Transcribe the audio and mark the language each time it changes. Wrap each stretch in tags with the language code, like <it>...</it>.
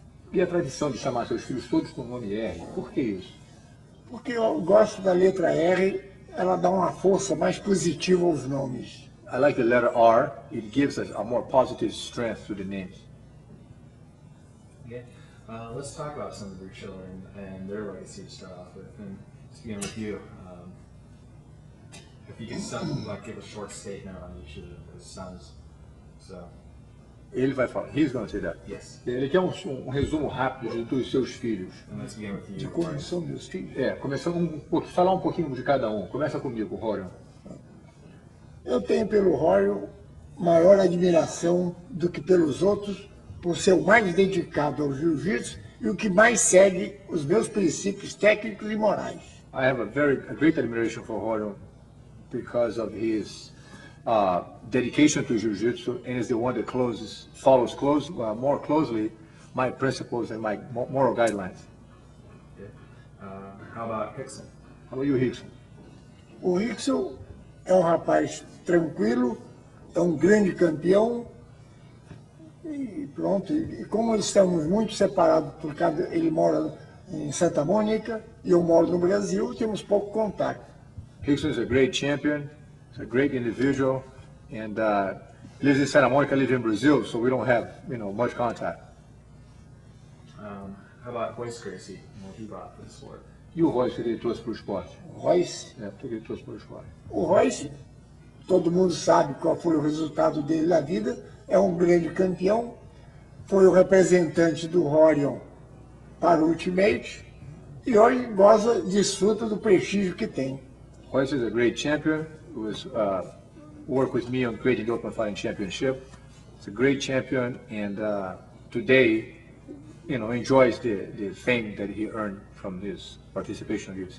<pt>E a tradição de chamar seus filhos todos com o nome R, por que isso? Porque eu gosto da letra R, ela dá uma força mais positiva aos nomes.</pt> <en>I like the letter R, it gives us a more positive strength to the names. Okay, let's talk about some of your children and their legacy to start off with. And to begin with you, if you can like, give a short statement on each of his sons. So.</en> <pt>Ele vai falar,</pt> <en>he's going to say that. Yes.</en> <pt>Ele quer um resumo rápido de todos os seus filhos. De como são meus filhos? É, começando falar um pouquinho de cada um. Começa comigo, Rorion. Eu tenho pelo Rorion maior admiração do que pelos outros, por ser o mais dedicado ao jiu-jitsu e o que mais segue os meus princípios técnicos e morais.</pt> <en>I have a great admiration for Rorion because of his dedication to jiu-jitsu and is the one that follows more closely my principles and my moral guidelines. Yeah. How about Hickson? How about you, Hickson?</en> <pt>O Hickson é um rapaz tranquilo, é um grande campeão e pronto. E como estamos muito separados, por causa ele mora em Santa Mônica e eu moro no Brasil, temos pouco contato.</pt> <en>Hickson is a great champion. A great individual, and lives in Santa Monica, lives in Brazil, so we don't have, you know, much contact. How about Royce Gracie, what he brought to the sport?</en> <pt>E o Royce, que ele trouxe para o esporte? Royce? É, porque ele trouxe para o esporte. O Royce, todo mundo sabe qual foi o resultado dele na vida, é um grande campeão, foi o representante do Rorion para o Ultimate, e hoje goza, desfruta do prestígio que tem.</pt> <en>Royce is a great champion. Was work with me on creating the Open Fighting Championship. He's a great champion, and today, you know, enjoys the fame that he earned from his participation in UFC.</en>